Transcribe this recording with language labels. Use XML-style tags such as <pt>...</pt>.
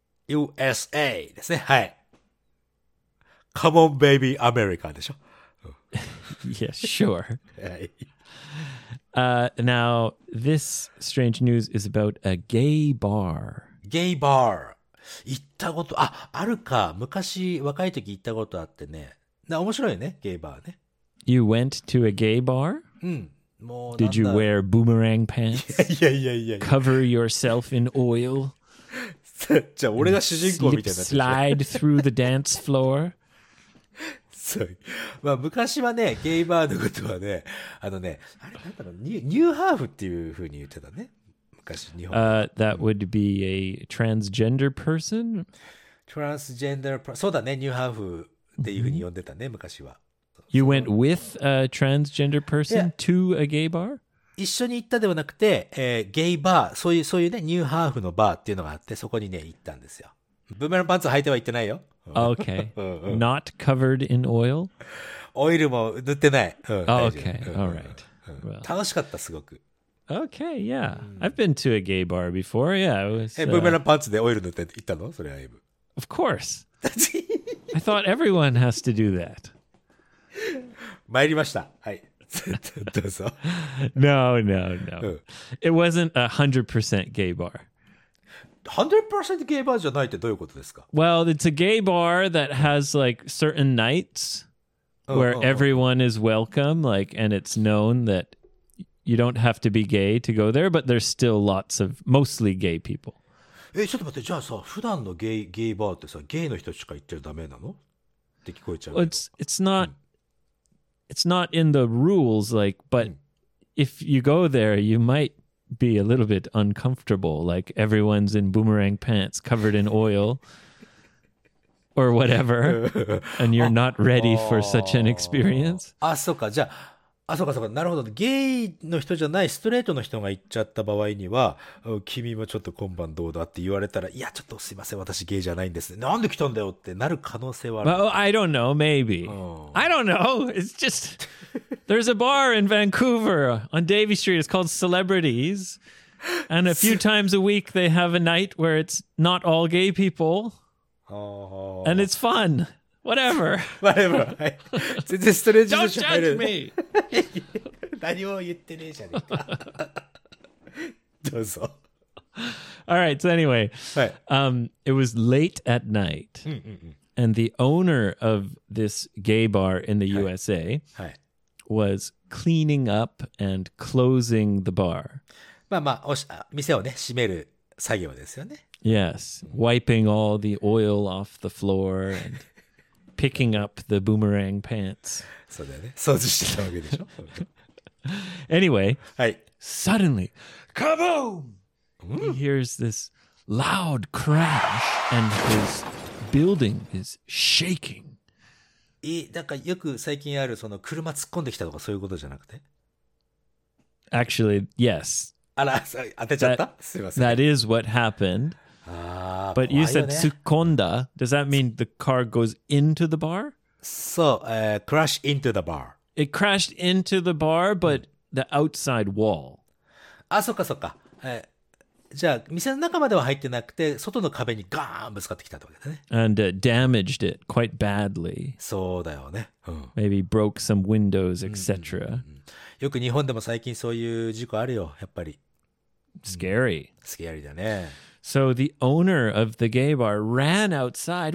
<ja>USA ですね。はい。</ja> <en>Come on, baby, America</en> <ja>でしょ。</ja> <en>Yes, sure. 、</en> <ja>はい、</ja> <en>now, this strange news is about a gay bar.</en> <ja>Gay bar. 行ったこと、あ、あるか。昔、若い時行ったことあってね。な、面白いね、ゲイバーね。</ja> <en>You went to a gay bar?</en> <ja>うん。もう、</ja> <en>Did you wear boomerang pants?</en> <ja>いや。</ja> <en>Cover yourself in oil?</en> <ja>じゃあ俺が主人公みたいな。</ja> <en>Slide through the dance floor.</en> <ja>そう。まあ昔はね、ゲイバーのことはね、あのね、あれなんだろう、ニューハーフっていうふうに言ってたね。昔日本。</ja> <en>That would be a transgender person. Transgender person.</en> <ja>そうだね、ニューハーフっていうふうに呼んでたね、昔は。</ja> <en>You went with a transgender person to a gay bar?</en> <ja>一緒に行ったではなくて、ゲイバー、そういうね、ニューハーフのバーっていうのがあって、そこにね、行ったんですよ。ブーメランパンツ履いては行ってないよ。</ja> <en>Okay. Not covered in oil?</en> <ja>オイルも塗ってない。</ja> <en>Okay. All right.</en> <ja>楽しかった、すごく。</ja> <en>Okay, yeah. I've been to a gay bar before. Yeah, it was,</en> <ja>ブーメランパンツでオイル塗って行ったの？それはエイブ。</ja> <en>Of course. I thought everyone has to do that.</en> <ja>参りました。はい。どうぞ。</ja> <en>No, no, no. It wasn't 100% gay bar. 100% gay bar</en> <ja>じゃないってどういうことですか?</ja> <en>Well, it's a gay bar that has like certain nights where everyone is welcome, like, and it's known that you don't have to be gay to go there, but there's still lots of mostly gay people.</en> <ja>え、ちょっと待って、じゃあさ、普段のゲイバーってさ、ゲイの人しか行っちゃダメなの? って聞こえちゃう。</ja> <en>Well, it's not in the rules, like, but if you go there, you might be a little bit uncomfortable, like everyone's in boomerang pants covered in oil or whatever, and you're not ready for such an experience.</en> <ja>あ、そっか、じゃあ、あ、そうかそうか、なるほど。ゲイの人じゃないストレートの人が行っちゃった場合には、君もちょっと今晩どうだって言われたら、いや、ちょっとすいません、私ゲイじゃないんです。なんで来たんだよってなる可能性はある。</ja> <en>Well, I don't know, maybe. I don't know. It's just, there's a bar in Vancouver on Davie Street. It's called Celebrities. And a few times a week they have a night where it's not all gay people. And it's fun. Whatever. Whatever.</en> <ja>全然ストレージの人入れる。</ja> <en>Don't judge me.</en> <ja>何も言ってねえじゃねえか。どうぞ。</ja> <en>All right. So anyway,、</en> <ja>はい、</ja> <en>it was late at night.</en> <ja>うんうん、うん、</ja> <en>and the owner of this gay bar in the USA、</en> <ja>はいはい、</ja> <en>was cleaning up and closing the bar.</en> <ja>まあまあ、店をね、閉める作業ですよね。</ja> <en>Yes. Wiping all the oil off the floor and... Picking up the boomerang pants.</en> <ja>そうだよね。掃除してたわけでしょ。</ja> <en>Anyway,、</en> <ja>はい、</ja> <en>suddenly, kaboom!、Mm. He hears this loud crash and his building is shaking.</en> <ja>なんかよく最近あるその車突っ込んできたとかそういうことじゃなくて?</ja> <en>Actually, yes.</en> <ja>あら、当てちゃった?すいません。</ja> <en>That is what happened. But you said tsukonda. Does that mean the car goes into the bar? So, crash into the bar. It crashed into the bar, but the outside wall.</en> <ja>Ah, そっかそっか。じゃあ店の中までは入ってなくて、外の壁にガーンぶつかってきたってことだね。</ja> <en>And damaged it quite badly.</en> <ja>そうだよね。</ja> <en>Maybe broke some windows, etc.</en> <ja>よく日本でも最近そういう事故あるよ、やっぱり。</ja> <en>Scary.</en> <ja>Scary だね。</ja> <en>So the owner of the gay bar ran outside.</en>